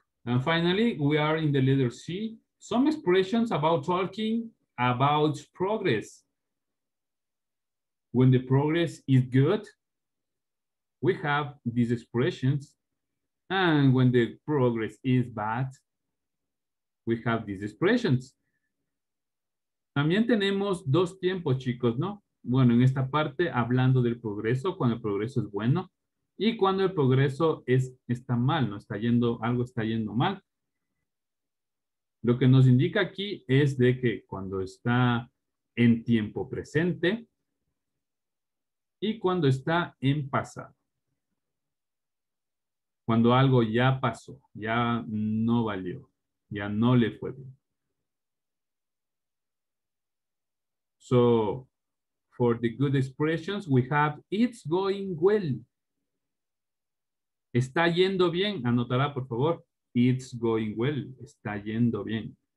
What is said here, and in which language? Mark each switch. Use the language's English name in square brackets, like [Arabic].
[English] And finally, we are in the letter C. Some expressions about talking about progress. When the progress is good, we have these expressions. And when the progress is bad, we have these expressions. [Spanish] También tenemos dos tiempos, chicos, ¿no? Bueno, en esta parte, hablando del progreso, cuando el progreso es bueno y cuando el progreso está mal, ¿no? Algo está yendo mal. Lo que nos indica aquí es de que cuando está en tiempo presente y cuando está en pasado. Cuando algo ya pasó, ya no valió, ya no le fue bien. [English] So for the good expressions, we have it's going well. [Spanish] Está yendo bien. Anotará, por favor. [English] It's going well. [Spanish] Está yendo bien.